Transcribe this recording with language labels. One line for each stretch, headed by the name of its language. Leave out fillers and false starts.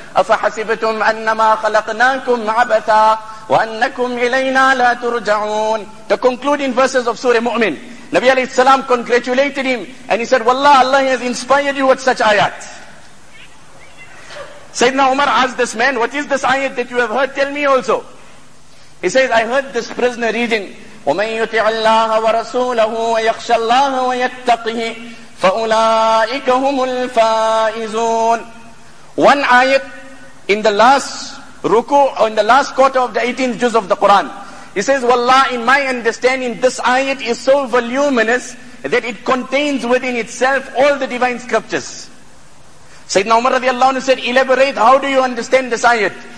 Arabic: أَفَحَسِبْتُمْ أَنَّمَا خَلَقْنَاكُمْ عَبَثًا وَأَنَّكُمْ إِلَيْنَا لَا تُرْجَعُونَ.
English: The concluding verses of Surah Mu'min. Nabi alayhi salam congratulated him and he said, Wallah, Allah has inspired you with such ayat. Sayyidina Umar asked this man, what is this ayat that you have heard? Tell me also. He says, I heard this prisoner reading,
Arabic: وَمَنْ يُطِعَ اللَّهَ وَرَسُولَهُ وَيَخْشَى اللَّهَ وَيَتَّقِهِ فَأُولَٰئِكَ هُمُ الْفَائِزُونَ.
English: One ayat in the last ruku, or in the last quarter of the 18th juz of the Quran. He says, Wallah, in my understanding, this ayat is so voluminous that it contains within itself all the divine scriptures. Sayyidina Umar radiallahu anhu said, elaborate, how do you understand this ayat?